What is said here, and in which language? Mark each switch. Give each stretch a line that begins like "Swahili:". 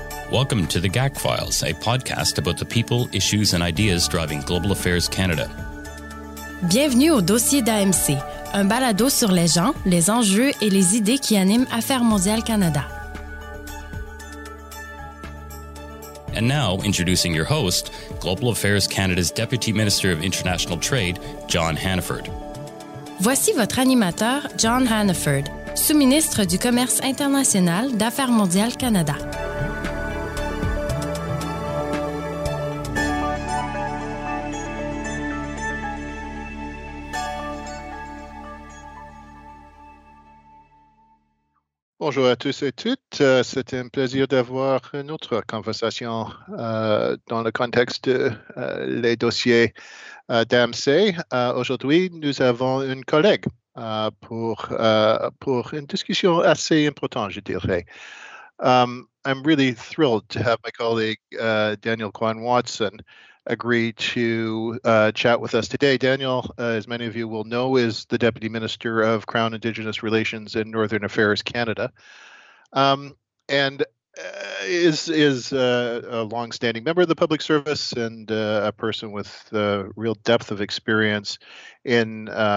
English: Welcome to The GAC Files, a podcast about the people, issues and ideas driving Global Affairs Canada.
French: Bienvenue au dossier d'AMC, un balado sur les gens, les enjeux et les idées qui animent Affaires mondiales Canada.
English: And now, introducing your host, Global Affairs Canada's Deputy Minister of International Trade, John Hannaford.
French: Voici votre animateur, John Hannaford, sous-ministre du Commerce international d'Affaires mondiales Canada. Bonjour à tous et toutes. C'est un plaisir d'avoir une autre conversation dans le contexte de les dossiers d'AMC. Aujourd'hui, nous avons une collègue pour une discussion assez importante, je dirais.
English: I'm really thrilled to have my colleague Daniel Kwan-Watson agree to chat with us today. Daniel, as many of you will know, is the Deputy Minister of Crown Indigenous Relations and Northern Affairs Canada, and is a longstanding member of the public service and a person with a real depth of experience in